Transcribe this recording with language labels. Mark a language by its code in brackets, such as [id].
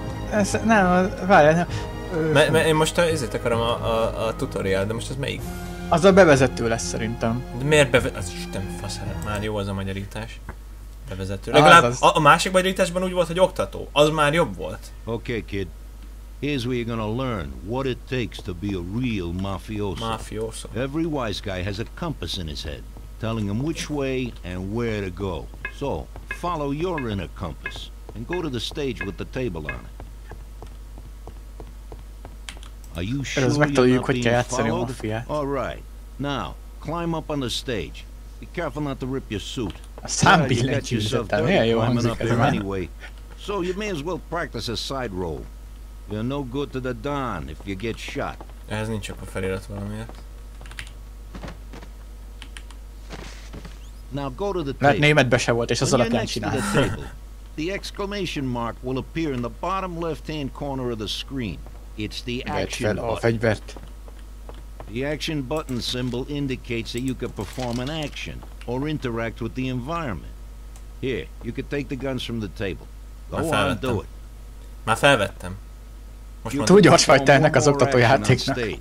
[hu] Ez, nem, várjál, nem. Én most ezért akarom a tutoriál, de most az melyik? Az a bevezető lesz szerintem. De miért bevezető? Az Isten faszára, már jó az a magyarítás. Bevezető. Legalább az. A másik magyarításban úgy volt, hogy oktató. Az már jobb volt. [en] Okay, kid. Here's where you're gonna learn what it takes to be a real mafioso. Mafioso. Every wise guy has a compass in his head, telling him which way and where to go. So, follow your inner compass, and go to the stage with the table on it. Are you sure you're not being followed? All right. Now, climb up on the stage. Be careful not to rip your suit. So you may as well practice a side roll. You're no good to the Don if you get shot. [hu] Ez nincs akkor felirat valamiért. [en] Now go to the table. [hu] Mert németbe se volt, és az alapján csinál. [en] The exclamation mark will appear in the bottom left-hand corner of the screen. It's the action button. [hu] A fegyvert. [en] The action button symbol indicates that you can perform an action or interact with the environment. Here, you can take the guns from the table. Go on, do it. [hu] Már felvettem. Most túl gyors vagy te ennek az oktató játéknak.